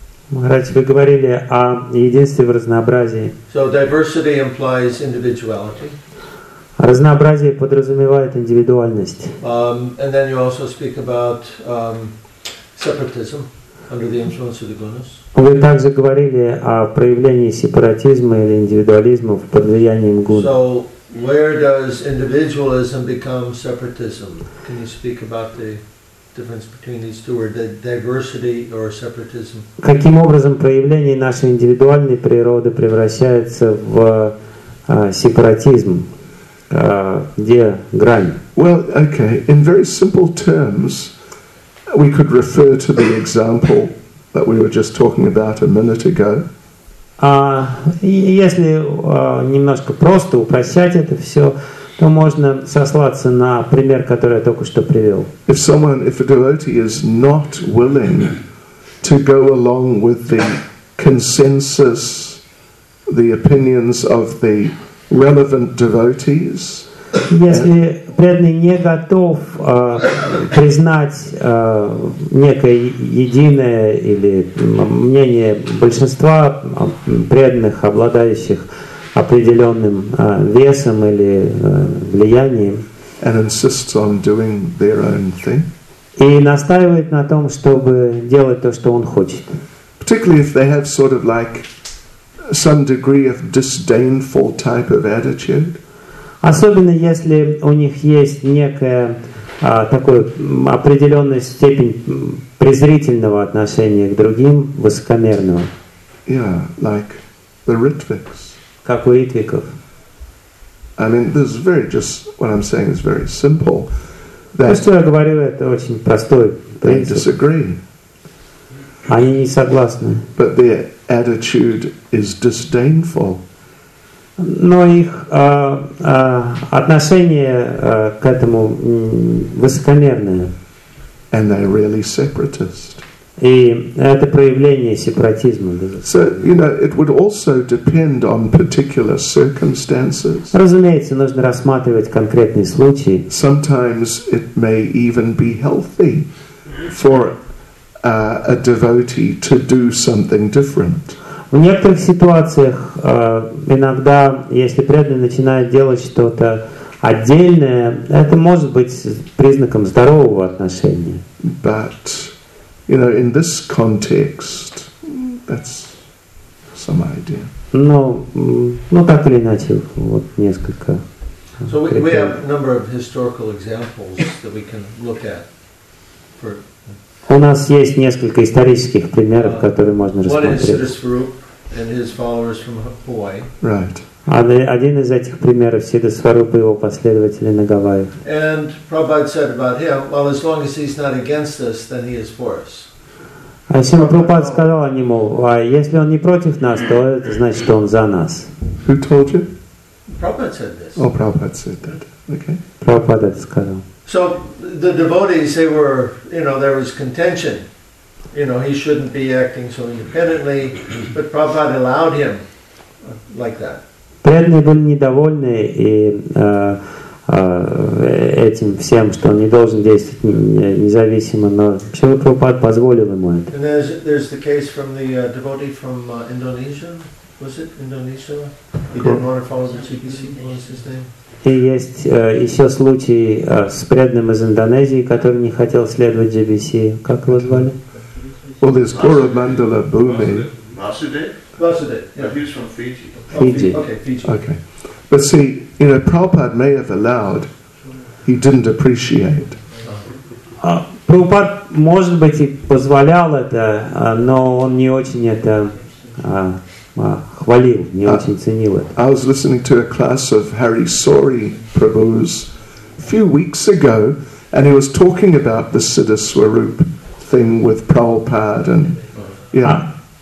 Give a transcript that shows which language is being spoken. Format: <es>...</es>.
<ru>Раньше вы говорили о единстве в разнообразии.</ru> <en>So diversity implies individuality.</en> <ru>Разнообразие подразумевает индивидуальность.</ru> <en>And then you also speak about separatism under the influence of the gunas.</en> <ru>Вы также говорили о проявлении сепаратизма или индивидуализма под влиянием гуны.</ru> <en>So where does individualism become separatism? Can you speak about the difference between these two, or the diversity or separatism?</en> <ru>Каким образом проявление нашей индивидуальной природы превращается в сепаратизм? Где грань?</ru> <en>Well, okay. In very simple terms, we could refer to the example that we were just talking about a minute ago.</en> <ru>Если немножко просто упрощать это все, то можно сослаться на пример, который я только что привел.</ru> <en>If a devotee is not willing to go along with the consensus, the opinions of the relevant devotees,</en> <ru>если преданный не готов признать некое единое или мнение большинства преданных, обладающих определенным весом или влиянием,</ru> <en>and insists on doing their own thing,</en> <ru>и настаивает на том, чтобы делать то, что он хочет.</ru> <en>Particularly if they have sort of like some degree of disdainful type of attitude.</en> <ru>Особенно если у них есть некая такая определенная степень презрительного отношения к другим, высокомерного.</ru> <en>Yeah, like the Ritviks.</en> <ru>Как у Ритвиков.</ru> <en>I mean, this is very, just what I'm saying is very simple.</en> <ru>что я говорю, это очень простой принцип.</ru> <en>They disagree.</en> <ru>Они не согласны.</ru> <en>But their attitude is disdainful.</en> <ru>Но их отношение к этому высокомерное.</ru> <en>And they're really separatist.</en> <ru>И это проявление сепаратизма.</ru> <en>So, you know, it would also depend on particular circumstances.</en> <ru>Разумеется, нужно рассматривать конкретные случаи.</ru> <en>Sometimes it may even be healthy for a devotee to do something different.</en> <ru>В некоторых ситуациях иногда, если преданный начинает делать что-то отдельное, это может быть признаком здорового отношения.</ru> <en>But, you know, in this context, that's some idea.</en> <ru>Ну, так или иначе, вот несколько.</ru> <en>So we have a number of historical examples that we can look at.</en> <ru>У нас есть несколько исторических примеров, которые можно рассмотреть.</ru> <en>And his followers from Hawaii. Right.</en> <ru>Один из этих примеров Сиддхасварупа и его последователи на Гавайях.</ru> <en>And Prabhupada said about him, well, as long as he's not against us, then he is for us.</en> <ru>А Сима Прабхупада сказал о нему, а если он не против нас, то это значит, что он за нас.</ru> <en>Who told you? Prabhupada said this. Oh, Prabhupada said that. Okay.</en> <ru>Прабхупада это сказал.</ru> <en>So the devotees, they were, you know, there was contention. You know, he shouldn't be acting so independently, but Prabhupada allowed him like that.</en> <ru>Преданные были недовольны и этим всем, что он не должен действовать независимо, но Шрила Прабхупада позволил ему это.</ru> <en>And there's the case from the devotee from Indonesia, was it Indonesia? He didn't want to follow the CPC, what was his name?</en> <ru>И есть еще случай с преданным из Индонезии, который не хотел следовать GBC. Как его звали?</ru> <en>Well, there's Koramandala Bhumi. Vasudev? He's from Fiji. Oh, Fiji. Okay, Fiji. Okay. But see, you know, Prabhupada may have allowed, he didn't appreciate.</en> <ru>Prabhupada, может быть, и позволял это, но он не очень это хвалил, не очень ценил это.</ru> <en>I was listening to a class of Hari Sori Prabhu's a few weeks ago, and he was talking about the Siddha Swarup thing with Prabhupada and yeah.</en>